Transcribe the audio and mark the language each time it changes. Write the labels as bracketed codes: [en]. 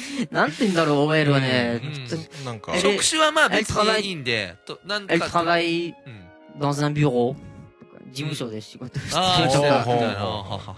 [ja] なんて言うんだろう、OL はね。なんか、職種はまあ別にいいんで。 [fr] Elle travaille dans un bureau. [ja] 事務所で仕事してるとか。